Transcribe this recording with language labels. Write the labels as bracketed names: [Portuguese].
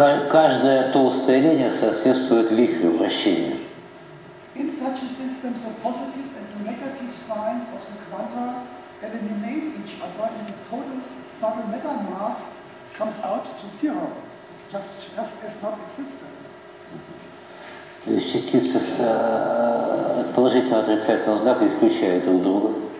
[Russian] Каждая толстая линия соответствует вихрю вращения. [English] In such a system, the positive and the negative signs of the quanta eliminate each other, and the total subtle matter mass comes out to zero. It's just as not existent. [Russian] То есть частицы с положительного отрицательного знака исключают друг друга.